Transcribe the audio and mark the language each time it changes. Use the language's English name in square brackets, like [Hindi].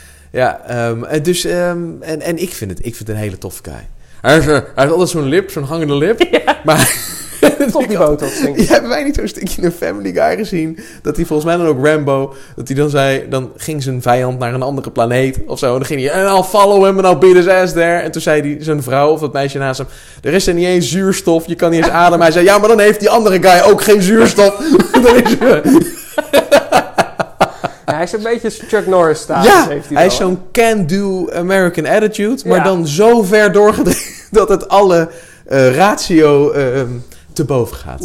[Dutch] Ja, en ik vind het een hele toffe guy. Hij heeft altijd zo'n lip, zo'n hangende lip. Ja. Maar tot die boot op zingen. Hebben wij niet zo'n stukje in een Family Guy gezien? Dat hij volgens mij dan ook Rambo, dat hij dan zei, dan ging zijn vijand naar een andere planeet of zo. En dan ging hij, en [English] I'll follow him and I'll beat his ass there. [Dutch] En toen zei hij, zijn vrouw of het meisje naast hem, er is er niet eens zuurstof, je kan niet eens ademen. Hij zei, ja, maar dan heeft die andere guy ook geen zuurstof. Dan is hij... Hij is een beetje Chuck Norris status. Ja, heeft hij is zo'n [English] can-do American attitude. [Dutch] Maar dan zo ver doorgedreven dat het alle ratio te boven gaat.